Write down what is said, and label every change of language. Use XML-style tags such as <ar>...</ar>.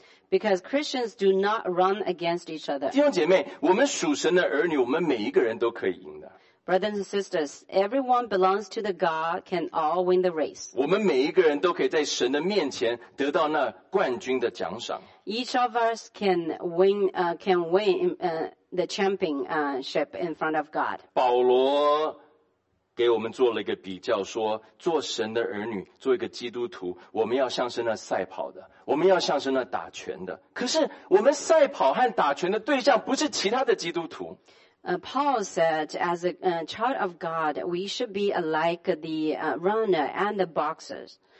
<en>Because Christians do not run against each other.</en> <zh>弟兄姐妹，我们属神的儿女，我们每一个人都可以赢的。</zh> <en>Brothers and sisters, everyone belongs to the God can all win the race.</en> <zh>我们每一个人都可以在神的面前得到那冠军的奖赏。</zh> <en>Each of us can win the championship in front of God.</en> <zh>保罗给我们做了一个比较，说做神的儿女，做一个基督徒，我们要像是那赛跑的，我们要像是那打拳的。可是我们赛跑和打拳的对象不是其他的基督徒。</zh> <en>Paul said, as a child of God, we should be like the runner and the boxers.</en>